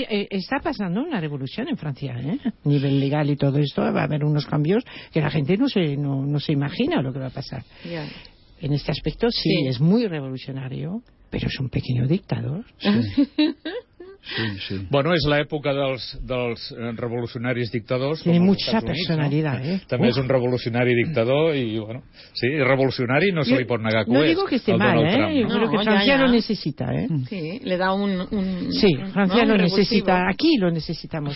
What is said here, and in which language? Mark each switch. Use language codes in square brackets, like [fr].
[es] está pasando una revolución en Francia, A nivel legal y todo esto, va a haber unos cambios que la gente no se imagina lo que va a pasar. [en] Yeah. [es] En este aspecto, sí, es muy revolucionario, pero es un pequeño dictador. Sí. [ca] Bueno, és l'època dels revolucionaris dictadors. [es] Tiene mucha personalidad, [ca] També és un revolucionari dictador i, bueno, sí, revolucionari no se li pot negar que no ho és. [es] No digo que esté mal, Trump. Creo que Francia lo necesita, Sí, le da un... Sí, Francia lo necesita, aquí lo necesitamos.